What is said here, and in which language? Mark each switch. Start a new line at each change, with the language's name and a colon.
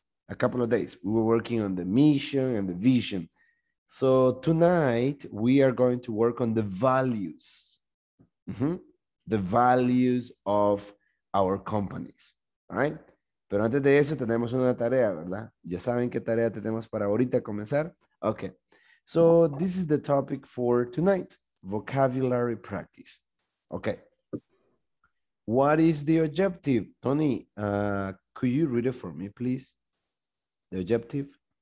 English: A couple of days, we were working on the mission and the vision. So tonight we are going to work on the values, the values of our companies. All right.
Spanish: Pero antes de eso, tenemos una tarea, ¿verdad? Ya saben qué tarea tenemos para ahorita comenzar.
English: Okay. So this is the topic for tonight, vocabulary practice. Okay. What is the objective? Tony, could you read it for me, please? The objective.